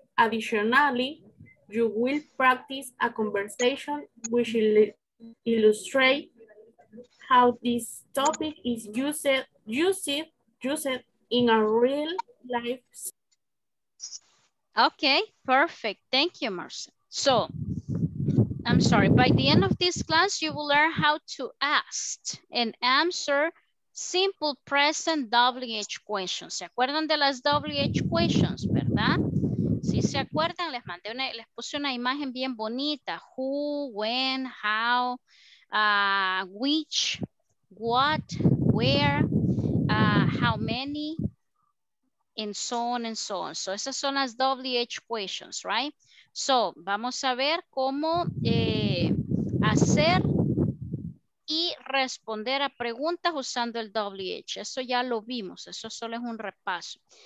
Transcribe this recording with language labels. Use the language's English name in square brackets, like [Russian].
[English] Additionally, you will practice a conversation which illustrate how this topic is used in a real life. Okay, perfect. Thank you, Marcel. So, I'm sorry, by the end of this class, you will learn how to ask and answer simple present WH questions. [Spanish] ¿Se acuerdan de las WH questions, verdad? Si se acuerdan, les puse una imagen bien bonita. [English] Who, when, how, which, what, where, how many, and so on and so on. [Spanish] So esas son las WH questions, right? So vamos a ver cómo hacer y responder a preguntas usando el WH. Eso ya lo vimos, eso solo es un repaso.